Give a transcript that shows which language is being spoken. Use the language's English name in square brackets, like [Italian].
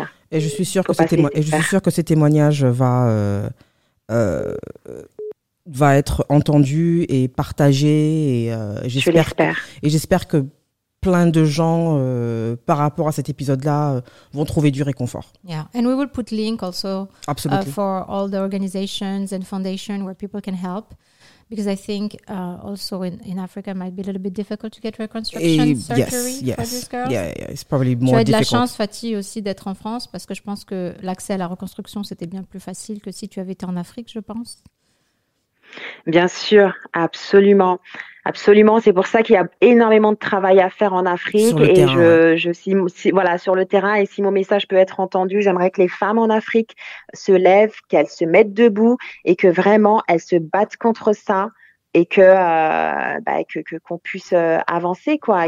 [French] Et je suis sûre que ce témoignage va être entendu et partagé et j'espère que plein de gens par rapport à cet épisode-là vont trouver du réconfort. [English] Yeah, and we will put link also. Absolutely. For all the organizations and foundation where people can help, because I think also in Africa might be a little bit difficult to get reconstruction surgery for this girl. Yeah, it's probably more difficult. [French] Tu as de la chance, Fatih, aussi d'être en France, parce que je pense que l'accès à la reconstruction c'était bien plus facile que si tu avais été en Afrique, je pense. Bien sûr, absolument. Absolument, c'est pour ça qu'il y a énormément de travail à faire en Afrique. Sur le terrain, et si mon message peut être entendu, j'aimerais que les femmes en Afrique se lèvent, qu'elles se mettent debout et que vraiment elles se battent contre ça et qu'on puisse avancer, quoi.